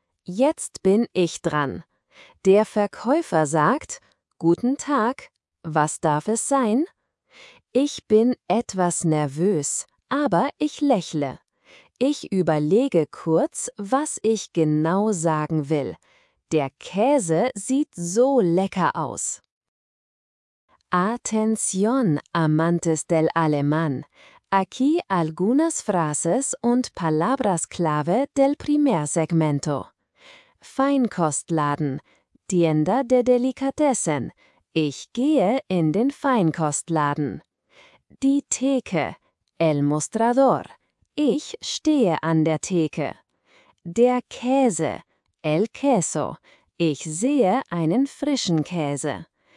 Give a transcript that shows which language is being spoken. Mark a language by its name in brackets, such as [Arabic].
[German] Jetzt bin ich dran. Der Verkäufer sagt: Guten Tag, was darf es sein? Ich bin etwas nervös. Aber ich lächle. Ich überlege kurz, was ich genau sagen will. Der Käse sieht so lecker aus. [Spanish] Atención, amantes del alemán. Aquí algunas frases und palabras clave del primer segmento. Feinkostladen. Tienda de delicatessen. [German] Ich gehe in den Feinkostladen. Die Theke. [Spanish] El mostrador. [German] Ich stehe an der Theke. Der Käse. [Spanish] El queso. [German] Ich sehe einen frischen Käse.